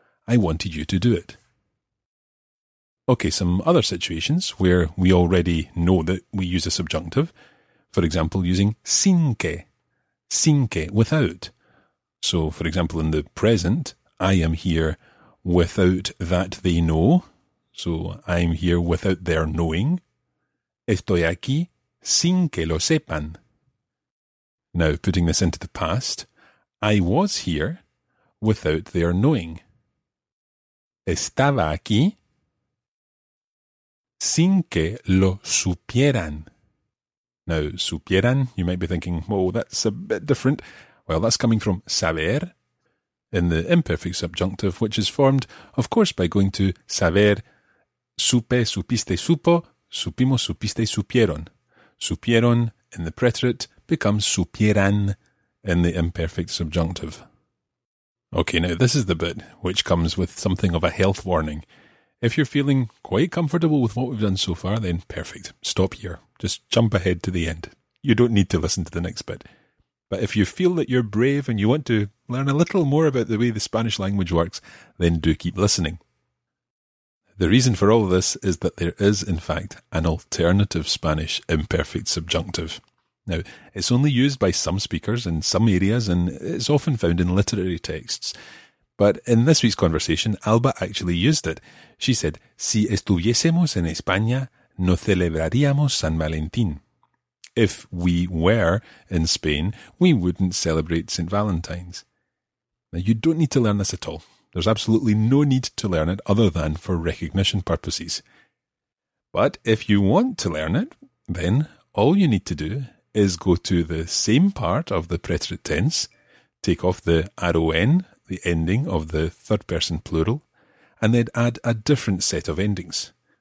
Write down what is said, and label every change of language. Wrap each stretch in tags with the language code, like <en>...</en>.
<en>I wanted you to do it. Okay, some other situations where we already know that we use a subjunctive. For example, using sin que, without. So, for example, in the present, I am here without that they know. So, I'm here without their knowing.</en> <es>Estoy aquí sin que lo sepan.</es> <en>Now, putting this into the past, I was here without their knowing.</en> <es>Estaba aquí sin que lo supieran.</es> <en>Now, supieran, you might be thinking, oh, that's a bit different. Well, that's coming from saber in the imperfect subjunctive, which is formed, of course, by going to saber, supe, supiste, supo, supimos, supiste, supieron. Supieron in the preterite becomes supieran in the imperfect subjunctive. Okay, now this is the bit which comes with something of a health warning. If you're feeling quite comfortable with what we've done so far, then perfect. Stop here. Just jump ahead to the end. You don't need to listen to the next bit. But if you feel that you're brave and you want to learn a little more about the way the Spanish language works, then do keep listening. The reason for all of this is that there is, in fact, an alternative Spanish imperfect subjunctive. Now, it's only used by some speakers in some areas, and it's often found in literary texts. But in this week's conversation, Alba actually used it. She said,</en> <es>si estuviésemos en España, no celebraríamos San Valentín.</es> <en>if we were in Spain, we wouldn't celebrate St. Valentine's. Now, you don't need to learn this at all. There's absolutely no need to learn it other than for recognition purposes. But if you want to learn it, then all you need to do is go to the same part of the preterite tense, take off the R-O-N, the ending of the third person plural, and then add a different set of endings.</en>